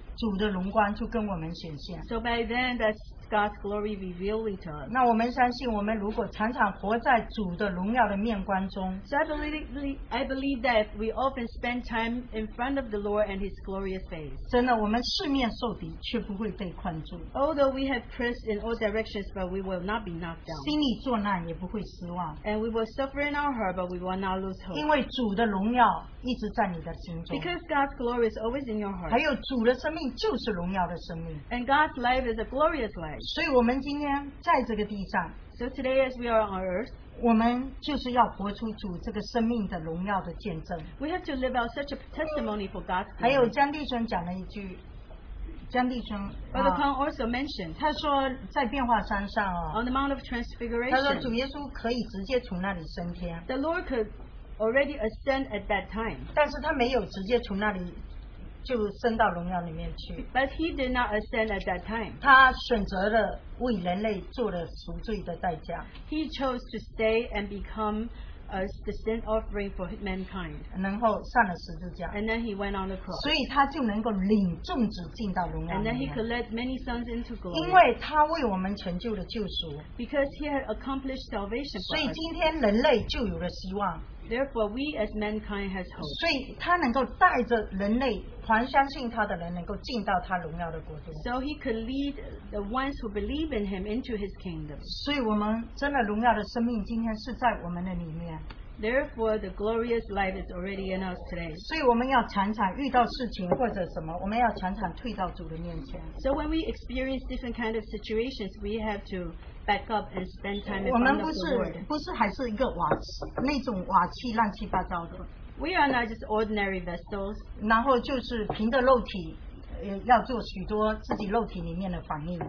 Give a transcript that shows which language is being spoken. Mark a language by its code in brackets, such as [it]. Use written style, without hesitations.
[zh] 到这个时候就是主的荣光就跟我们显现。So [en] by then that's God's glory revealed to us. [zh] 那我们相信我们如果常常活在主的荣耀的面光中, [en] so I believe that if we often spend time in front of the Lord and His glorious face, [zh] 真的我们四面受敌却不会被困住, [en] although we have pressed in all directions but we will not be knocked down, [zh] 心里作难也不会失望, [en] and we will suffer in our heart but we will not lose hope, [zh] 因为主的荣耀一直在你的心中, [en] because God's glory is always in your heart, [zh] 还有主的生命就是荣耀的生命, [en] and God's life is a glorious life. [zh] 所以我们今天在这个地上, [en] so today as we are on earth, [zh] 我们就是要活出主这个生命的荣耀的见证, [en] we have to live out such a testimony for God's glory. [zh] 还有江弟兄讲了一句, 江弟兄, [en] Brother Kong also mentioned, [zh] 他说在变化山上, [en] on the Mount of Transfiguration, [zh] 他说主耶稣可以直接从那里升天, [en] the Lord could already ascend at that time, [zh] 但是他没有直接从那里, [en] but he did not ascend at that time. [zh] 他选择了为人类做了赎罪的代价, [en] he chose to stay and become the sin offering for mankind. [zh] 然后上了十字架, [en] and then he went on the cross. [zh] 所以他就能够领众子进到荣耀里面, [en] and then he could let many sons into glory. [zh] 因为他为我们成就了救赎, [en] because he had accomplished salvation for us. [zh] 所以今天人类就有了希望, [en] therefore we as mankind has hope. [zh] 所以他能够带着人类, 凡相信他的人能够进到他荣耀的国度, [en] so he could lead the ones who believe in him into his kingdom. [zh] 所以我们真的荣耀的生命今天是在我们的里面, [en] therefore the glorious life is already in us today. [zh] 所以我们要常常遇到事情或者什么, 我们要常常退到主的面前, [en] so when we experience different kind of situations we have to back up and spend time in front of the Lord. [zh] 我们不是还是一个瓦器, 那种瓦器乱七八糟的, [en] we are not just ordinary vessels. [zh] 然后就是凭着肉体, 要做许多自己肉体里面的反应,